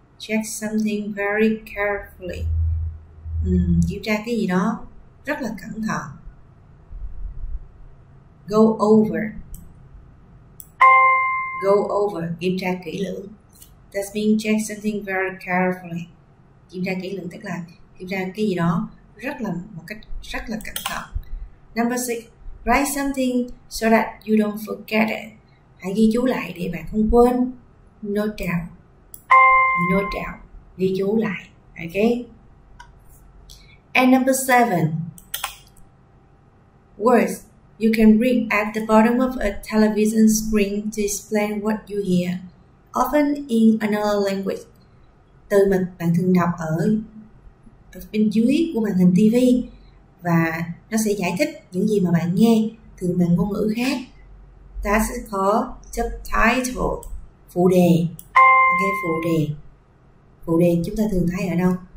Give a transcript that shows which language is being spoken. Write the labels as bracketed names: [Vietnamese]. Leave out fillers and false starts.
[Vietnamese] Kiểm tra cái gì đó rất là cẩn thận. [English] Go over, [Vietnamese] kiểm tra kỹ lưỡng. [English] That means check something very carefully. [Vietnamese] Kiểm tra kỹ lưỡng tức là kiểm tra cái gì đó rất là một cách rất là cẩn thận. [English] Number six, write something so that you don't forget it. [Vietnamese] Hãy ghi chú lại để bạn không quên. Note down, ghi chú lại. Okay. [English] And number seven, words you can read at the bottom of a television screen to explain what you hear, often in another language. [Vietnamese] Từ mà bạn thường đọc ở bên dưới của màn hình TV và nó sẽ giải thích những gì mà bạn nghe thường bằng ngôn ngữ khác. [English] That's called subtitle, phụ đề. [Vietnamese] Ok, phụ đề chúng ta thường thấy ở đâu?